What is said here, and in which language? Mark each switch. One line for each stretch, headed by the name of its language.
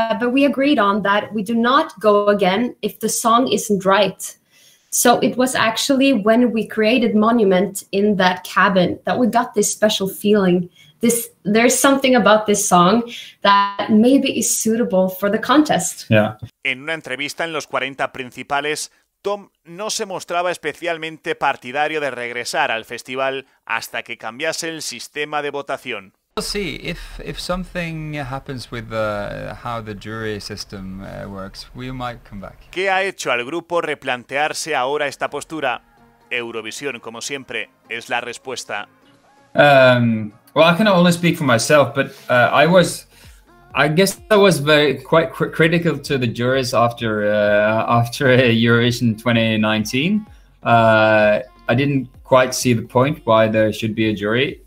English: But we agreed on that we do not go again if the song isn't right. So it was actually when we created Monument in that cabin that we got this special feeling. There's something about this song that maybe is suitable for the contest. Yeah.
Spanish: En una entrevista en los 40 principales, Tom no se mostraba especialmente partidario de regresar al festival hasta que cambiase el sistema de votación.
English: We'll see if something happens with how the jury system works, we might come back.
Spanish: ¿Qué ha hecho al grupo replantearse ahora esta postura? Eurovisión, como siempre, es la respuesta.
English: Well, I can only speak for myself, but I was very quite critical to the jurors after Eurovision 2019. I didn't quite see the point why there should be a jury.